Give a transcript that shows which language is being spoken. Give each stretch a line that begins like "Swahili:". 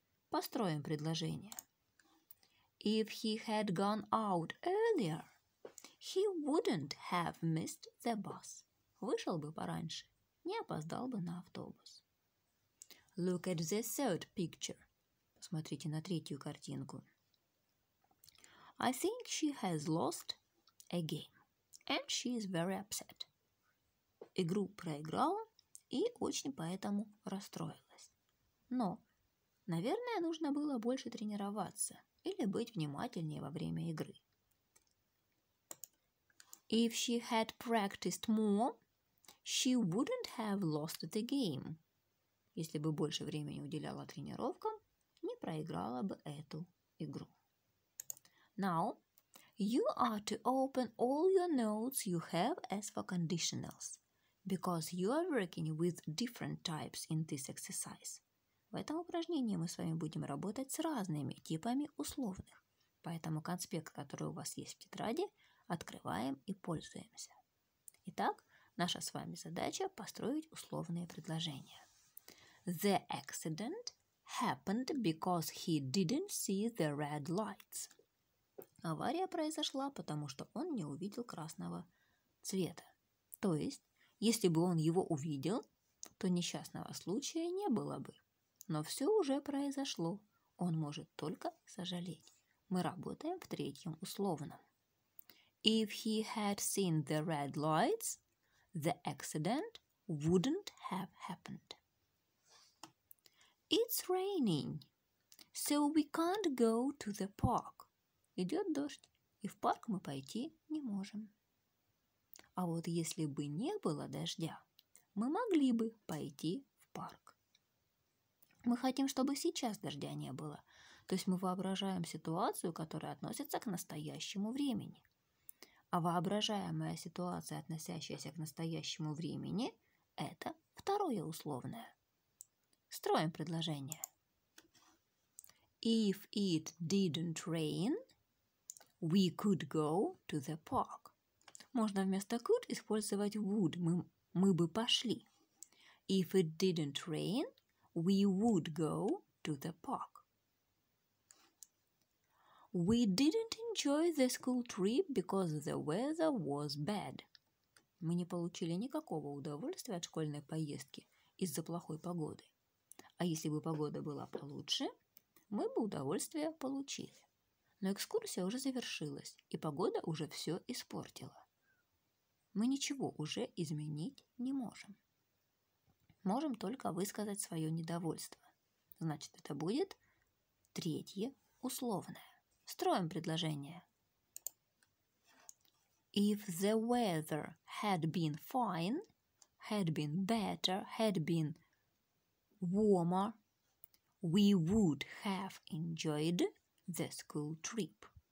Russian: Построим предложение.
English: If he had gone out earlier, he wouldn't have missed the bus.
Russian: Вышел бы пораньше, не опоздал бы на автобус.
English: Look at the third picture.
Russian: Посмотрите на третью картинку.
English: I think she has lost a game, and she is very upset.
Russian: Игру проиграла и очень поэтому расстроилась. Но, наверное, нужно было больше тренироваться или быть внимательнее во время игры.
English: If she had practiced more, she wouldn't have lost the game.
Russian: Если бы больше времени уделяла тренировкам, не проиграла бы эту игру.
English: Now, you are to open all your notes you have as for conditionals, because you are working with different types in this exercise.
Russian: В этом упражнении мы с вами будем работать с разными типами условных, поэтому конспект, который у вас есть в тетради, открываем и пользуемся. Итак, наша с вами задача – построить условные предложения.
English: The accident happened because he didn't see the red lights.
Russian: Авария произошла, потому что он не увидел красного цвета. То есть, если бы он его увидел, то несчастного случая не было бы. Но все уже произошло. Он может только сожалеть. Мы работаем в третьем условном.
English: If he had seen the red lights, the accident wouldn't have happened. It's raining, so we can't go to the park.
Russian: Идет дождь, и в парк мы пойти не можем. А вот если бы не было дождя, мы могли бы пойти в парк. Мы хотим, чтобы сейчас дождя не было. То есть мы воображаем ситуацию, которая относится к настоящему времени. А воображаемая ситуация, относящаяся к настоящему времени, это второе условное. Строим предложение.
English: If it didn't rain, we could go to the park.
Russian: Можно вместо could использовать would. Мы бы пошли.
English: If it didn't rain, we would go to the park. We didn't enjoy the school trip because the weather was bad.
Russian: Мы не получили никакого удовольствия от школьной поездки из-за плохой погоды. А если бы погода была получше, мы бы удовольствие получили. Но экскурсия уже завершилась, и погода уже все испортила. Мы ничего уже изменить не можем. Можем только высказать свое недовольство. Значит, это будет третье условное. Строим предложение.
English: If the weather had been fine, had been better, had been warmer, we would have enjoyed the school trip.